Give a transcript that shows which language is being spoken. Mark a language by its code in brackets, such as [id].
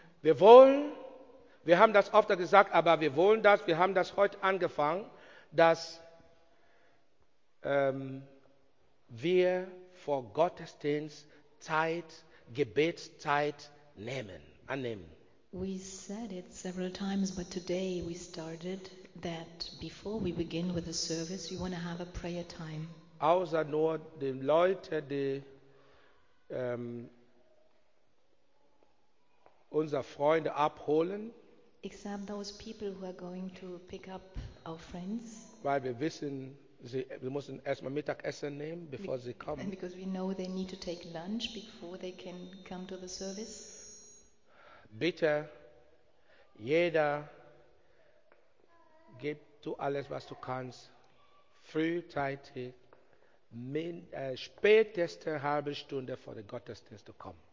[de] Wir wollen, wir haben das oft gesagt, aber wir wollen das, wir haben das heute angefangen, dass wir vor Gottesdienst Zeit, Gebetszeit nehmen, annehmen. [en] We said it several times, but today we started that before we begin with the service, we want to have a prayer time. [de] Außer nur den Leuten, die unsere Freunde abholen. [en] Except those people who are going to pick up our friends. [de] Weil wir wissen, wir müssen erstmal Mittagessen nehmen, bevor sie kommen. [en] And because we know they need to take lunch before they can come to the service. [de] Bitte, jeder, gib du alles, was du kannst, frühzeitig. Späteste halbe Stunde vor den Gottesdienst zu kommen.